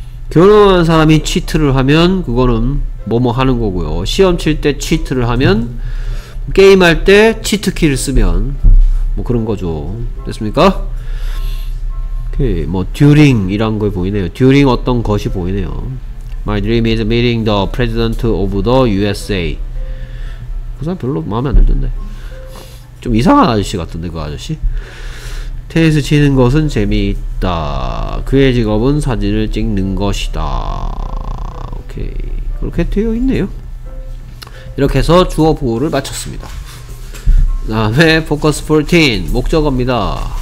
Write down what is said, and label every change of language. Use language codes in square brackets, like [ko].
[ko] 결혼한 사람이 cheat를 하면 그거는 뭐뭐 하는 거고요. 시험 칠 때 치트를 하면 게임할 때 치트키를 쓰면 뭐 그런 거죠. 됐습니까? 오케이. 뭐 during이란 걸 보이네요. during 어떤 것이 보이네요. [en] My dream is meeting the president of the USA. [ko] 그 사람 별로 마음에 안 들던데. 좀 이상한 아저씨 같은데 그 아저씨. 테니스 치는 것은 재미있다. 그의 직업은 사진을 찍는 것이다. 오케이. 그렇게 되어 있네요. 이렇게 해서 주어 보호를 마쳤습니다. 그 다음에 포커스 14 목적어입니다.